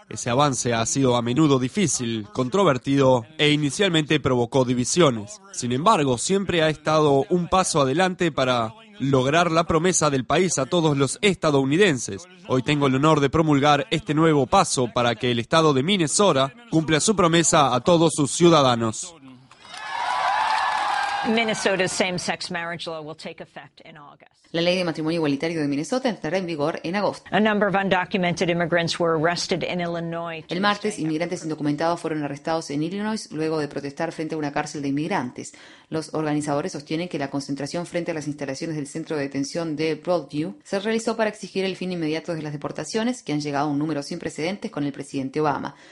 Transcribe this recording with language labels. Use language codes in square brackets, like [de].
[es] Ese avance ha sido a menudo difícil, controvertido e inicialmente provocó divisiones. Sin embargo, siempre ha estado un paso adelante para lograr la promesa del país a todos los estadounidenses. Hoy tengo el honor de promulgar este nuevo paso para que el estado de Minnesota cumpla su promesa a todos sus ciudadanos. [en] Minnesota's same-sex marriage law will take effect in August. [es] La ley de matrimonio igualitario de Minnesota entrará en vigor en agosto. [en] A number of undocumented immigrants were arrested in Illinois. [es] El martes, inmigrantes indocumentados fueron arrestados en Illinois luego de protestar frente a una cárcel de inmigrantes. Los organizadores sostienen que la concentración frente a las instalaciones del centro de detención de Broadview se realizó para exigir el fin inmediato de las deportaciones, que han llegado a un número sin precedentes con el presidente Obama.